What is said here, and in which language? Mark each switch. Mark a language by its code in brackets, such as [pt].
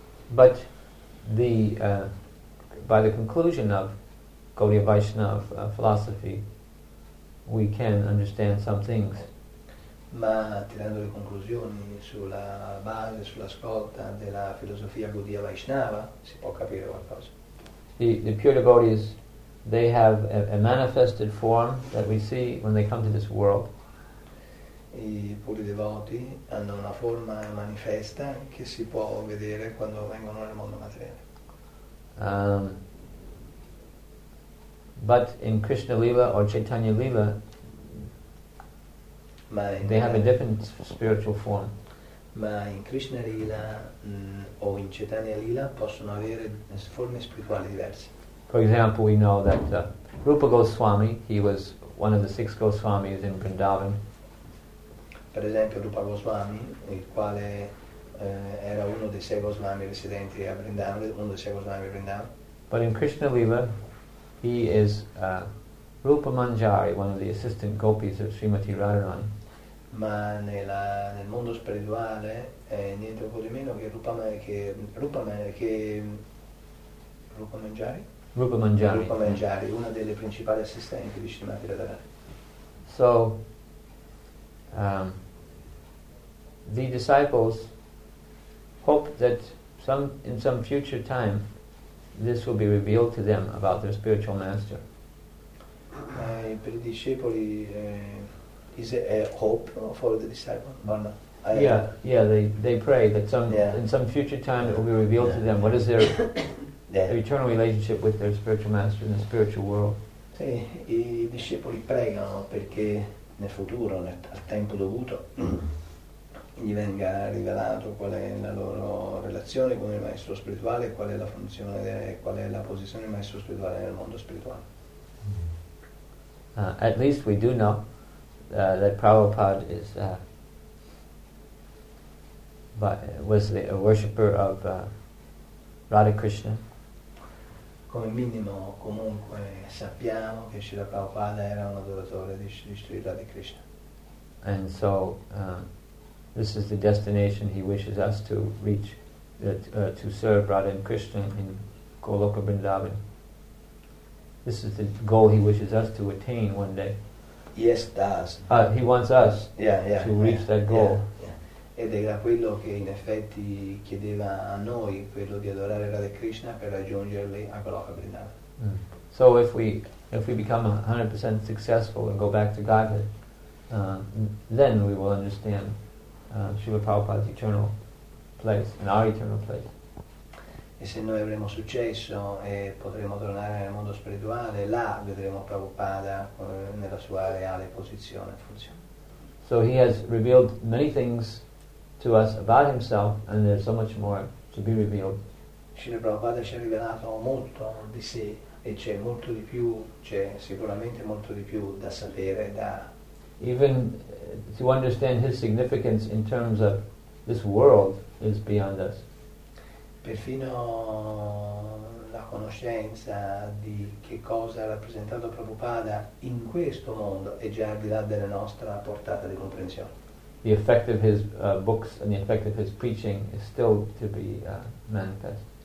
[en] But by the conclusion of Gaudiya Vaishnava philosophy, we can understand some things. [it] Ma tirando le conclusioni sulla base, sull'ascolta della filosofia Gaudiya Vaishnava, si può capire qualcosa. [en] The pure devotees, they have a manifested form that we see when they come to this world. [it] I puri devoti hanno una forma manifesta che si può vedere quando vengono nel mondo materiale. [en] But in Krishna Lila or Chaitanya Lila, they have a different spiritual form. [it] Ma in Krishna Lila o in Chaitanya Lila possono avere forme spirituali diverse. [en] For example, we know that Rupa Goswami, he was one of the six Goswamis in Vrindavan. [it] Per esempio Rupa Goswami, il quale era uno dei sei Goswami residenti a Vrindavan, uno dei sei Goswami a Vrindavan. [en] But in Krishna Lila, he is Rupa Manjari, one of the assistant gopis of Srimati Radharani. [it] Ma nel mondo spirituale è niente un po' di meno che Rupa Manjari, una delle principali assistenti di Srimati Radharani. [en] So the disciples hope that in some future time this will be revealed to them about their spiritual master. [it] Per i discepoli, [en] is it a hope for the disciple? They pray that in some future time it will be revealed to them what is their, their eternal relationship with their spiritual master in the spiritual world. [it] Sì, i discepoli pregano perché nel futuro, al tempo dovuto, gli venga rivelato qual è la loro relazione con il maestro spirituale, qual è la funzione, qual è la posizione del maestro spirituale nel mondo spirituale. [en] At least we do know that Prabhupada is was a worshipper of Radha Krishna. [it] Come minimo, comunque, sappiamo che Srila Prabhupada era un adoratore di Srila Radha Krishna. [en] And so, this is the destination he wishes us to reach, to serve Radha and Krishna in Goloka Vrindavan. This is the goal he wishes us to attain one day. Yes, does. He wants us to reach that goal. Yeah. [it] Ed era quello che in effetti chiedeva a noi, quello di adorare Radha Krishna per raggiungerli a Goloka Vrindavan. [en] So if we become 100% successful and go back to Godhead, then we will understand Srila Prabhupada's eternal place and our eternal place. [it] E se noi avremo successo e potremo tornare nel mondo spirituale, là vedremo Prabhupada nella sua reale posizione e funzione. [en] So he has revealed many things to us about himself, and there's so much more to be revealed [it] Srila Prabhupada ci ha rivelato molto di sé e c'è molto di più, c'è sicuramente molto di più da sapere, da. [en] Even to understand his significance in terms of this world is beyond us. [it] Perfino la conoscenza di che cosa ha rappresentato Prabhupada in questo mondo è già al di là della nostra portata di comprensione. [en] The effect of his books and the effect of his preaching is still to be manifest.